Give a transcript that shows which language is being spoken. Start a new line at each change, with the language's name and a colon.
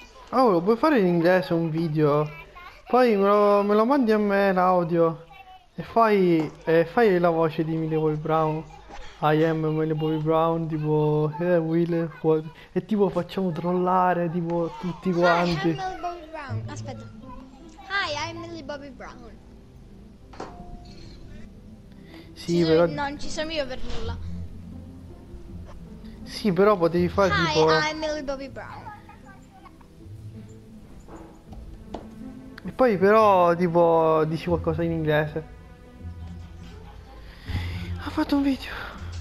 Italian: Oh, lo puoi fare in inglese un video? Poi me lo mandi a me l'audio e fai la voce di Millie Bobby Brown.
English: I am Millie Bobby Brown, tipo, Will, what?
Italian: E tipo facciamo trollare tipo tutti quanti.
English: Hi, I'm Millie Bobby Brown.
Italian: Sì, però non ci sono io per nulla. Sì, però potevi fare
English: Hi,
Italian: tipo.
English: Hi, I'm Millie Bobby Brown.
Italian: E poi però tipo dici qualcosa in inglese. Ha fatto un video.